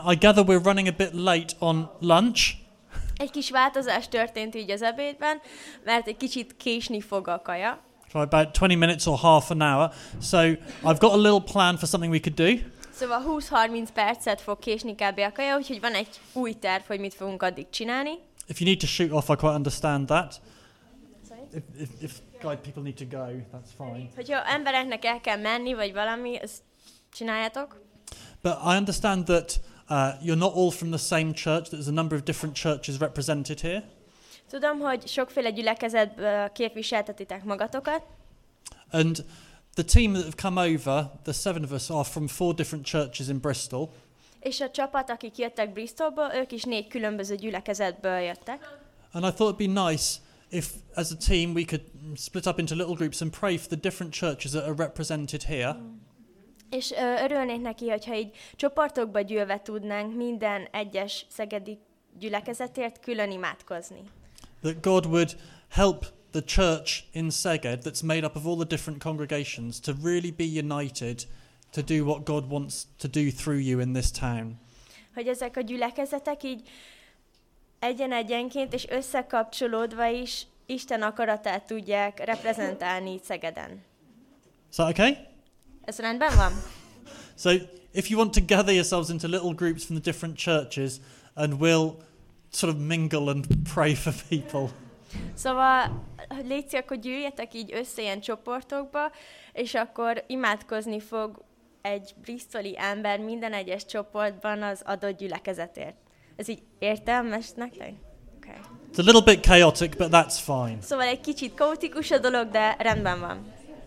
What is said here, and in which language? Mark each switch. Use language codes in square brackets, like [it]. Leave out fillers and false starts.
[en] I gather we're running a bit late on lunch. [hu] Egy kis változás történt így az ebédben, mert egy kicsit késni fog a kaja. [en] About 20 minutes or half an hour. So I've got a little plan for something we could do. [hu] Szóval 20-30 percet fog késni kb. A kaja, úgyhogy van egy új terv, hogy mit fogunk addig csinálni. [en] If you need to shoot off, I quite understand that. If guide people need to go, that's fine. [hu] Hogyha embereknek el kell menni, vagy valami, ezt csináljátok. [en] But I understand that you're not all from the same church. There's a number of different churches represented here. [hu] Tudom, hogy sokféle gyülekezet képviseltetitek magatokat. [en] And the team that have come over, the seven of us, are from four different churches in Bristol. [hu] És a csapat, akik jöttek Bristolból, ők is négy különböző gyülekezetből jöttek. [en] And I thought it'd be nice if, as a team, we could split up into little groups and pray for the different churches that are represented here. [hu] És örülnék neki, hogyha így csoportokba gyűlve tudnánk minden egyes szegedi gyülekezetért külön imádkozni. [en] That God would help the church in Szeged that's made up of all the different congregations to really be united to do what God wants to do through you in this town. [hu] Hogy ezek a gyülekezetek így egyen-egyenként és összekapcsolódva is Isten akaratát tudják reprezentálni Szegeden. [en] Is that okay? [hu] Ez rendben van. [en] So if you want to gather yourselves into little groups from the different churches and we'll sort of mingle and pray for people. [hu] Szóval légy szíves, hogy gyűljetek így össze ilyen csoportokba, és akkor imádkozni fog egy bristoli ember minden egyes csoportban az adott gyülekezetért. Ez így értelmes nektek? [en] Okay. It's a little bit chaotic, but that's fine. [hu] Szóval egy kicsit kaotikus a dolog, de rendben van.